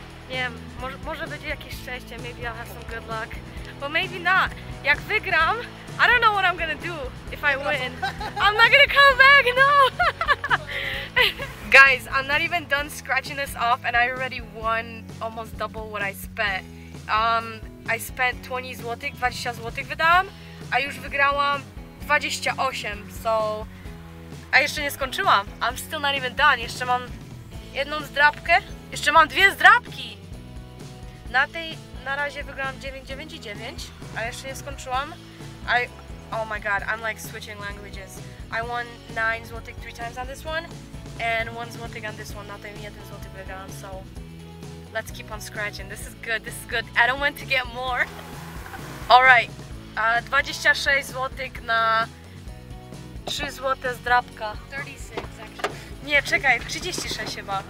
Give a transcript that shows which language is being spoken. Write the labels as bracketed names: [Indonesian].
[Polish] Nie, może będzie jakieś szczęście. [English] Maybe I'll have some good luck. But maybe not. [Polish] Jak wygram, [English] I don't know what I'm gonna do if I win. I'm not gonna come back, no! Guys, I'm not even done scratching this off and I already won almost double what I spent. I spent 20 złotych, [Polish] 20 złotych wydałam, a już wygrałam 28, so... A jeszcze nie skończyłam. [English] I'm still not even done. [Polish] Jeszcze mam jedną zdrapkę. Jeszcze mam dwie zdrapki! Na tej, na razie wygrałam 9,99, a jeszcze nie skończyłam. [English] Oh my god, I'm like switching languages. I won 9 złotych 3 times on this one, and 1 złotych on this one. [Polish] Na tej 1 złotych wygrałam, so... [English] Let's keep on scratching. This is good, this is good. I don't want to get more. Alright. [Polish] 26 złotych na 3 złote zdrapka. [English] 36, actually. [Polish] Nie, czekaj, 36 chyba.